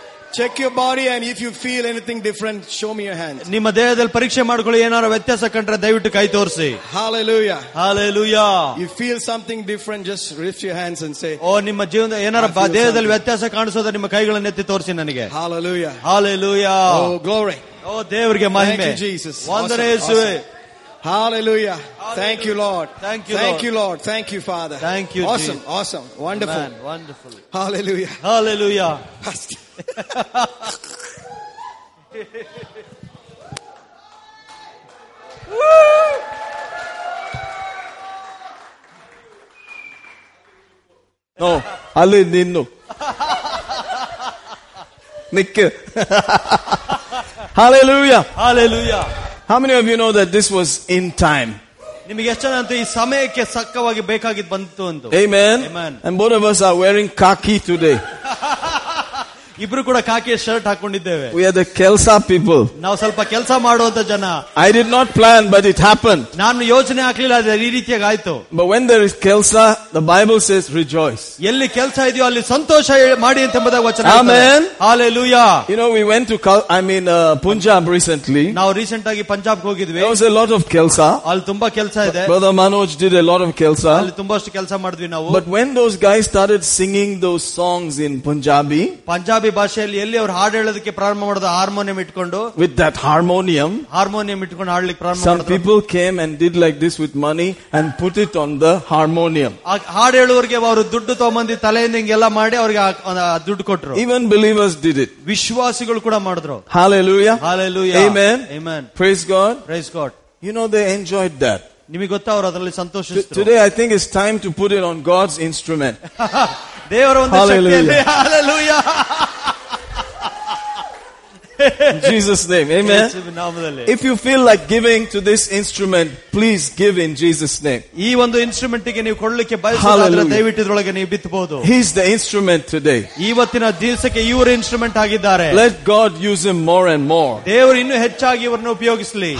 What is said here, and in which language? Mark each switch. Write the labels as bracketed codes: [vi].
[en] Check your body, and if you feel anything different, show me your hand. [kn] ನಿಮ್ಮ ದೇಹದಲ್ಲಿ ಪರೀಕ್ಷೆ ಮಾಡ್ಕೊಳ್ಳಿ, ಏನಾದ್ರು ವ್ಯತ್ಯಾಸ ಕಂಡ್ರೆ ದಯವಿಟ್ಟು ಕೈ ತೋರಿಸಿ. [en] Hallelujah. Hallelujah. You feel something different, just lift your hands and say, [kn] ಓ ನಿಮ್ಮ ಜೀವನ ಏನಾದ್ರು ದೇಹದಲ್ಲಿ ವ್ಯತ್ಯಾಸ ಕಾಣಿಸೋದ್ರೆ ನಿಮ್ಮ ಕೈಗಳನ್ನ ಎತ್ತಿ ತೋರಿಸಿ ನನಗೆ. [en] Hallelujah. Hallelujah. Oh, glory. [kn] ಓ ದೇವರಿಗೆ ಮಹಿಮೆ. [en] Jesus. [kn] ವಂದನೆ ಯೇಸುವೇ. [en] Hallelujah. Thank you, Lord. Thank you, Thank you, Lord. Thank you, Father. Thank you, awesome, Jesus. Awesome. Wonderful. Amen. Wonderful. Hallelujah. Hallelujah. Woo! No. Ali ninnu. Nick. Hallelujah. Hallelujah. How many of you know that this was in time? [kn] ನಿಮಗೆ ಎಷ್ಟಂತ ಈ ಸಮಯಕ್ಕೆ ಸಕ್ಕವಾಗಿ ಬೇಕಾಗಿದ್ದು ಬಂತು ಅಂತ. [en] Amen. Amen. And both of us are wearing khaki today. [kn] ಇಬ್ರು ಕೂಡ ಖಾಕಿಯ shirt ಹಾಕೊಂಡಿದ್ದೇವೆ. [en] We are the Kelsa people. [kn] ನಾವು ಸ್ವಲ್ಪ ಕೆಲಸ ಮಾಡುವಂತ ಜನ. [en] I did not plan, but it happened. [kn] ನಾನು ಯೋಜನೆ ಹಾಕಲಿಲ್ಲ, ಆದ್ರೆ ಈ ರೀತಿಯಾಗಿ ಆಯ್ತು. [en] But when there is Kelsa, the Bible says rejoice. [kn] ಎಲ್ಲಿ ಕೆಲಸ ಇದೆಯೋ ಅಲ್ಲಿ ಸಂತೋಷ ಮಾಡಿ ಅಂತ ಎಂಬುದಾಗಿ ವಚನ. [en] Amen. Hallelujah. You know, we went to Punjab recently. [kn] ನಾವು ರೀಸೆಂಟ್ ಆಗಿ ಪಂಜಾಬ್ ಹೋಗಿದ್ವಿ. [en] There was a lot of Kelsa. [kn] ಅಲ್ಲಿ ತುಂಬಾ ಕೆಲಸ ಇದೆ. [en] Brother Manoj did a lot of Kelsa. [kn] ಅಲ್ಲಿ ತುಂಬಾಷ್ಟು ಕೆಲಸ ಮಾಡಿದ್ವಿ ನಾವು. [en] But when those guys started singing those songs in Punjabi, [kn] Punjabi ಭಾಷೆಯಲ್ಲಿ ಎಲ್ಲಿ ಅವರು ಹಾಡು ಹೇಳೋದಕ್ಕೆ ಪ್ರಾರಂಭ ಮಾಡಿದ ಹಾರ್ಮೋನಿಯಂ ಇಟ್ಕೊಂಡು, [en] with that harmonium [kn] ಇಟ್ಕೊಂಡು ಪ್ರಾರಂಭ. [en] Some people came and did like this with money and put it on the harmonium. [kn] ಹಾಡು ಹೇಳುವವರಿಗೆ ಅವರು ದುಡ್ಡು ತಗೊಂಡ್ಬಂದು ತಲೆಯಿಂದ ಹಿಂಗೆಲ್ಲ ಮಾಡಿ ಅವರಿಗೆ ದುಡ್ಡು ಕೊಟ್ಟರು. [en] Even believers did it. [kn] ವಿಶ್ವಾಸಿಗಳು ಕೂಡ ಮಾಡಿದ್ರು. [en] Hallelujah. Hallelujah. Amen. Amen. Praise God. Praise God. You know they enjoyed that. [kn] ನಿಮಗೆ ಗೊತ್ತಾ ಅವರು ಅದರಲ್ಲಿ ಸಂತೋಷಿಸಿದ್ರು. [en] Today I think it's time to put it on God's instrument. [kn] ದೇವರ ಒಂದು ಶಕ್ತಿಯಲ್ಲಿ hallelujah. [en] In Jesus' name, amen. If you feel like giving to this instrument, please give in Jesus' name. [kn] ಈ ಒಂದು instrument ಗೆ ನೀವು ಕೊಡ್ಲಿಕ್ಕೆ ಬಯಸಿದ್ರೆ ದಯವಿಟ್ಟು ಇದರೊಳಗೆ ನೀವು ಬಿತ್ತಬಹುದು. [en] He's the instrument today. [kn] ಇವತ್ತಿನ ದಿವಸಕ್ಕೆ ಇವರು ಇನ್ಸ್ಟ್ರೂಮೆಂಟ್ ಆಗಿದ್ದಾರೆ. [en] Let God use him more and more. [kn] ದೇವರು ಇನ್ನೂ ಹೆಚ್ಚಾಗಿ ಇವರನ್ನು ಉಪಯೋಗಿಸಲಿ.